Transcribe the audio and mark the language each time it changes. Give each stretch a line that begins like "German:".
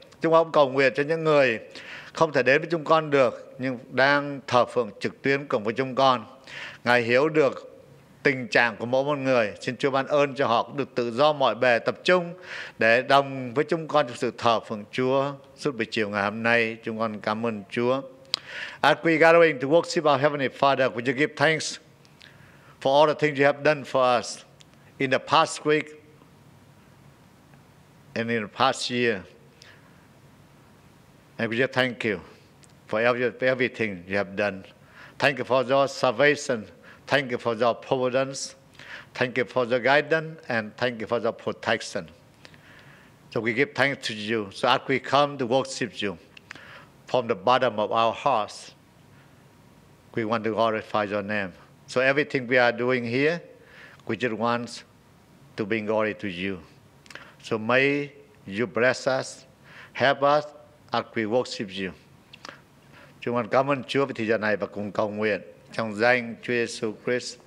Vietnamese: Chúng con cầu nguyện cho những người không thể đến với chúng con được, nhưng đang thờ phượng trực tuyến cùng với chúng con. Ngài hiểu được tình trạng của mỗi một người, xin Chúa ban ơn cho họ được tự do mọi bề tập trung để đồng với chúng con trong sự thờ phượng Chúa suốt buổi chiều ngày hôm nay. Chúng con cảm ơn Chúa.
English: As we gathering to worship our Heavenly Father, would you give thanks for all the things you have done for us in the past week and in the past year? And we just thank you for everything you have done. Thank you for your salvation. Thank you for your providence. Thank you for your guidance. And thank you for your protection. So we give thanks to you. So as we come to worship you from the bottom of our hearts, we want to glorify your name. So everything we are doing here, we just want to bring glory to you. So may you bless us, help us as we worship you.
Vietnamese: Chúng con cảm ơn Chúa vì thời gian này và cùng cầu nguyện trong danh Chúa Giêsu Christ.